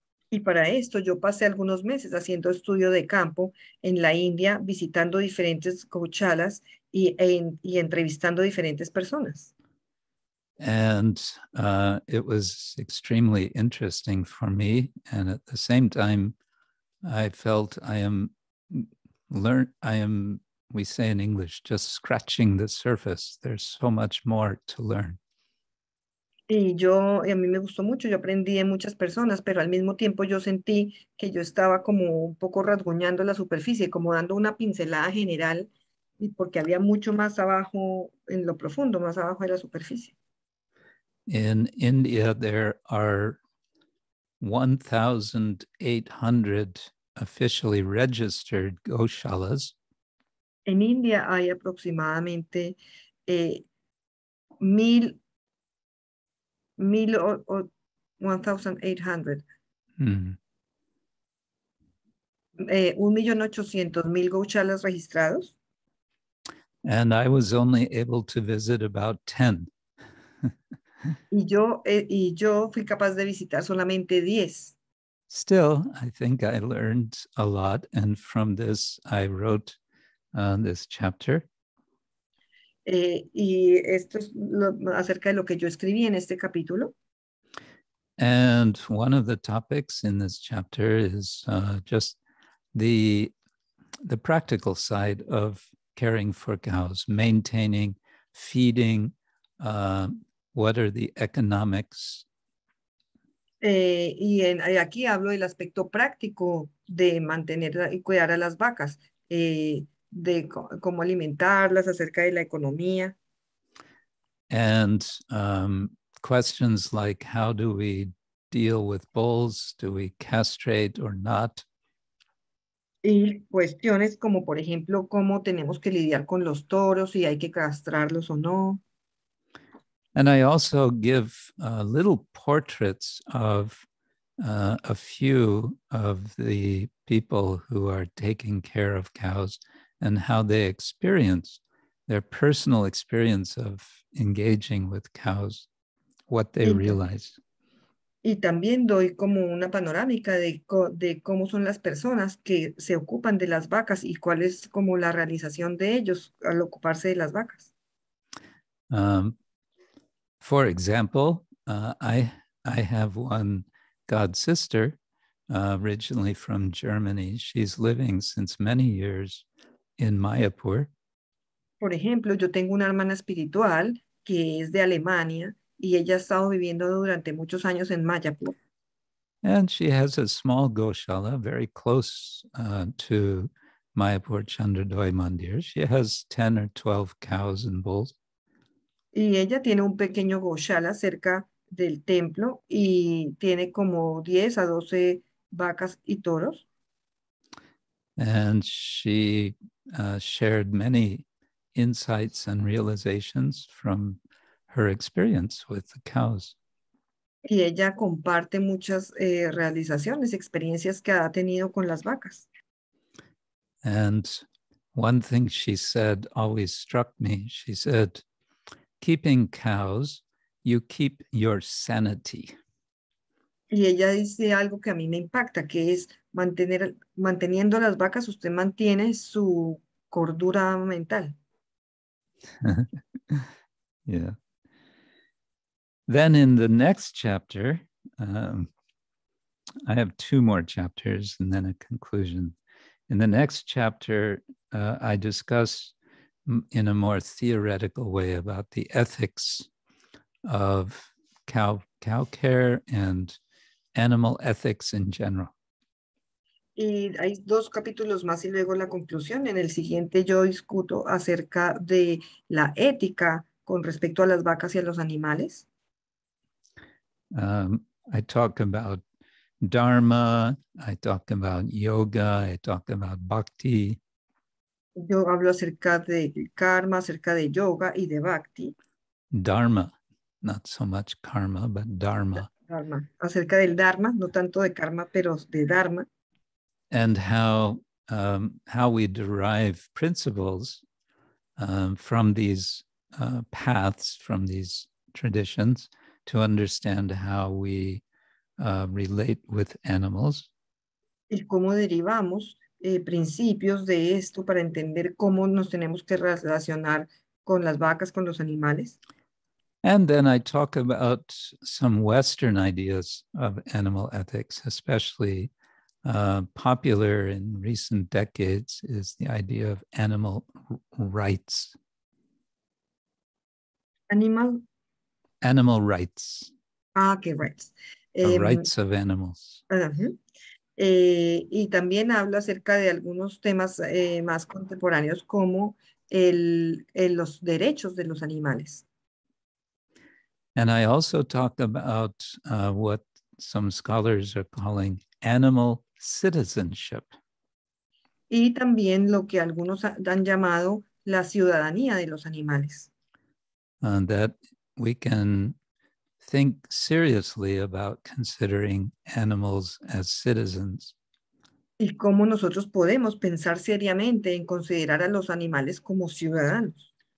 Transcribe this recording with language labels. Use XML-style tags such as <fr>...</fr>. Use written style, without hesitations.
<es>Y para esto yo pasé algunos meses haciendo estudio de campo en la India, visitando diferentes gochalas y entrevistando diferentes personas.</es> <en>And it was extremely interesting for me. And at the same time, I felt we say in English, just scratching the surface. There's so much more to learn.</en> <es>Y a mí me gustó mucho, yo aprendí de muchas personas, pero al mismo tiempo yo sentí que yo estaba como un poco rasguñando la superficie, como dando una pincelada general, y porque había mucho más abajo, en lo profundo, más abajo de la superficie.</es> <en>In India there are 1,800 officially registered goshalas.</en> <es>En India hay aproximadamente 1,800 gochalas registrados.</es> <en>And I was only able to visit about 10.</en> <es>y yo fui capaz de visitar solamente 10.</es> <en>Still, I think I learned a lot, and from this I wrote this chapter.</en> <es>Y esto es acerca de lo que yo escribí en este capítulo.</es> <en>And one of the topics in this chapter is just the practical side of caring for cows, maintaining, feeding, what are the economics?</en> <es>Y aquí hablo del aspecto práctico de mantener y cuidar a las vacas, de cómo alimentarlas, acerca de la economía.</es> <en>And questions like, how do we deal with bulls? Do we castrate or not?</en> <es>Y cuestiones como, por ejemplo, cómo tenemos que lidiar con los toros, si hay que castrarlos o no.</es> <en>And I also give little portraits of a few of the people who are taking care of cows and how they experience their personal experience of engaging with cows, what they realize.</en> <es>Y también doy como una panorámica de cómo son las personas que se ocupan de las vacas y cuál es como la realización de ellos al ocuparse de las vacas.</es> <en>For example, I have one god sister originally from Germany. She's living since many years in Mayapur.</en> <es>Por ejemplo, yo tengo una hermana espiritual que es de Alemania y ella ha estado viviendo durante muchos años en Mayapur.</es> <en>And she has a small goshala very close to Mayapur Chandradoy Mandir. She has 10 or 12 cows and bulls.</en> <es>Y ella tiene un pequeño goshala cerca del templo y tiene como 10 a 12 vacas y toros.</es> <en>And she shared many insights and realizations from her experience with the cows.</en> <es>Y ella comparte muchas realizaciones, experiencias que ha tenido con las vacas.</es> <en>And one thing she said always struck me. She said, keeping cows, you keep your sanity.</en> <es>Y ella dice algo que a mí me impacta, que es manteniendo las vacas, usted mantiene su cordura mental.</es> <en>Yeah. Then in the next chapter, I have two more chapters and then a conclusion. In the next chapter, I discuss in a more theoretical way about the ethics of cow care and animal ethics in general.</en> <es>Y hay dos capítulos más y luego la conclusión. En el siguiente yo discuto acerca de la ética con respecto a las vacas y a los animales.</es> <en>I talk about dharma, I talk about yoga, I talk about bhakti.</en> <es>Yo hablo acerca de karma, acerca de yoga y de bhakti.</es> <en>Dharma, not so much karma, but dharma.</en> <es>Dharma, acerca del dharma, no tanto de karma, pero de dharma.</es> <en>And how we derive principles from these paths, from these traditions, to understand how we relate with animals.</en> <es>Y cómo derivamos principios de esto para entender cómo nos tenemos que relacionar con las vacas, con los animales.</es> <en>And then I talk about some Western ideas of animal ethics, especially popular in recent decades is the idea of animal rights. Animal rights. Ah, okay, rights. Rights of animals. Uh-huh.</en> <es>Y también habla acerca de algunos temas más contemporáneos como los derechos de los animales.</es> <en>And I also talk about what some scholars are calling animal citizenship.</en> <es>Y también lo que algunos han llamado la ciudadanía de los animales.</es> <en>That we can think seriously about considering animals as citizens.</en> <es>Y cómo nosotros podemos pensar seriamente en considerar a los animales como ciudadanos.</es>